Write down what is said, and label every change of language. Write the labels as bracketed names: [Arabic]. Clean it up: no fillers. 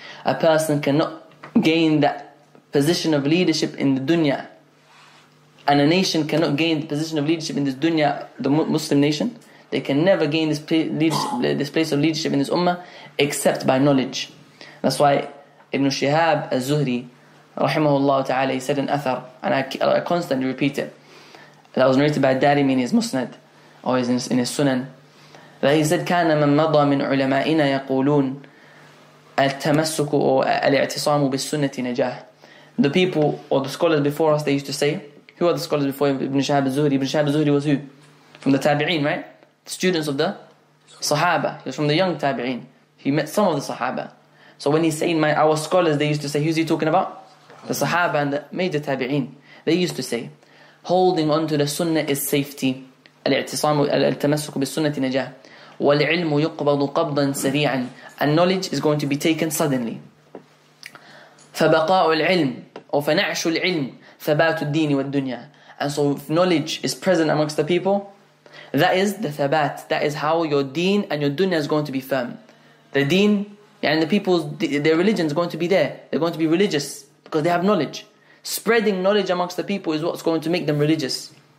[English] A person cannot gain that position of leadership in the dunya, and a nation cannot gain the position of leadership in this dunya, the Muslim nation, they can never gain this place of leadership in this ummah except by knowledge. That's why Ibn Shihab al-Zuhri rahimahullah ta'ala, he said in athar, and I constantly repeat it, that was narrated by Darimi in his Musnad, always in his Sunan, But he said, [Arabic] كان من مضى من علمائنا يقولون التمسك أو الاعتصام بالسنة نجاح. [English] The people or the scholars before us, they used to say, who are the scholars before Ibn Shahab al-Zuhri? Ibn Shahab al-Zuhri was who? From the Tabi'een, right? The students of the Sahaba. He was from the young Tabi'een. He met some of the Sahaba. So when he's saying, our scholars, they used to say, who's he talking about? The Sahaba and the major Tabi'een. They used to say, holding on to the Sunnah is safety. [Arabic] الاعتصام التمسك بالسنة نجاح. والعلم يقبض قبضا سريعا. [English] And knowledge is going to be taken suddenly. [Arabic] فبقاء العلم أو فنعش العلم ثبات الدين والدنيا. [English] And so if knowledge is present amongst the people, that is the ثبات. That is how your deen and your dunya is going to be firm. The deen and the people's, their religion is going to be there. They're going to be religious because they have knowledge. Spreading knowledge amongst the people is what's going to make them religious.